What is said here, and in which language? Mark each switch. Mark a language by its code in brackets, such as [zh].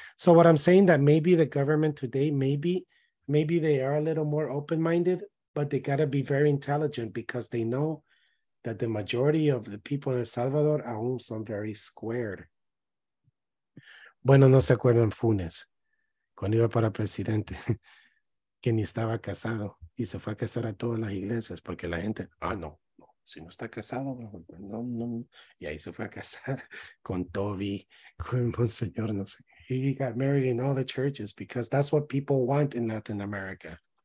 [en] So what I'm saying that maybe the government today, maybe they are a little more open-minded, but they got to be very intelligent because they know that the majority of the people in El Salvador [es] aún son [en] very squared. [es] Bueno, no se acuerdan Funes, cuando iba para presidente, que ni estaba casado y se fue a casar a todas las iglesias porque la gente, no, si no está casado, no. Y ahí se fue a casar con Toby, con Monseñor, no sé. [en] He got married in all the churches because that's what people want in Latin America.